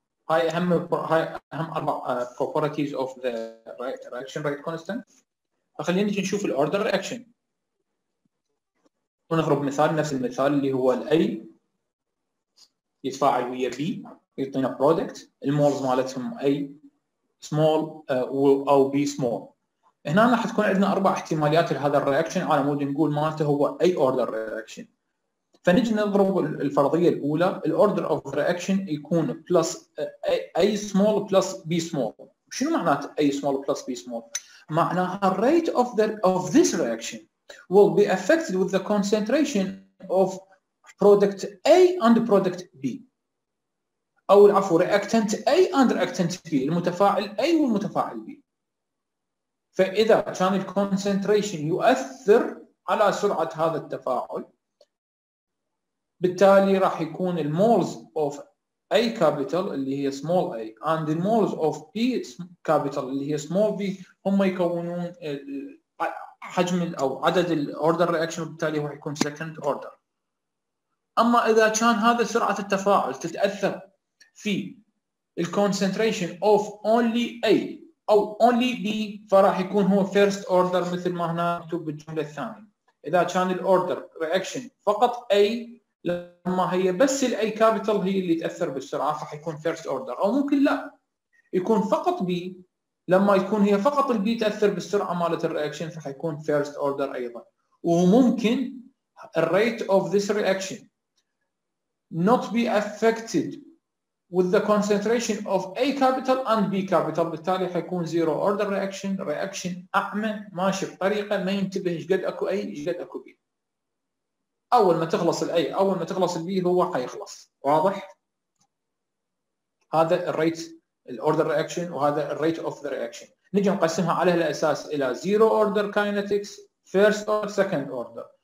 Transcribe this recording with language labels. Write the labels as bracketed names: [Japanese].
[Arabic] هاي اهم اربع [English] Properties of the reaction rate constant. [Arabic] فخلينا نجي نشوف الاوردر رياكشن ونضرب مثال نفس المثال اللي هو الـ A يتفاعل ويا B يعطينا product. المولز مالتهم A small أو B small. هنا راح تكون عندنا أربع احتماليات لهذا الرياكشن على مود نقول مالته هو A order reaction. فنجي نضرب الفرضية الأولى [English] الـ order of reaction يكون plus A small plus B small. [Arabic] شنو معنات [English] A small plus B small؟ [Arabic] معناها [English] rate of this reaction will be affected with the concentration of product A and product B. [Arabic] أو العفو [English] reactant A and reactant B. [Arabic] المتفاعل A والمتفاعل B. فإذا كان الـ concentration يؤثر على سرعة هذا التفاعل بالتالي راح يكون الـ [English] moles of A capital [Arabic] اللي هي small A [English] and the moles of B capital [Arabic] اللي هي small B هم يكونون حجم او عدد الاوردر رياكشن وبالتالي هو حيكون سكند اوردر. اما اذا كان هذا سرعه التفاعل تتاثر في [English] الكونسنتريشن of only A او only B [Arabic] فراح يكون هو فيرست اوردر مثل ما هنا مكتوب بالجمله الثانيه. اذا كان الاوردر رياكشن فقط اي لما هي بس الاي كابيتال هي اللي تاثر بالسرعه فحيكون فيرست اوردر. او ممكن لا يكون فقط بي لما يكون هي فقط البي تأثر بالسرعة مالت الرياكشن فحيكون first order أيضا. وممكن [English] rate of this reaction not be affected with the concentration of A capital and B capital [Arabic] بالتالي حيكون [English] zero order reaction. [Arabic] reaction أعمى ماشي بطريقة ما ينتبه إيش قد أكو A إيش قد أكو B. أول ما تخلص الـ A أول ما تخلص الـ B هو حيخلص. واضح؟ هذا rate [English] الاوردر رياكشن [Arabic] وهذا [English] الريت of the reaction. [Arabic] نجي نقسمها على الاساس الى [English] Zero order kinetics, first or second order.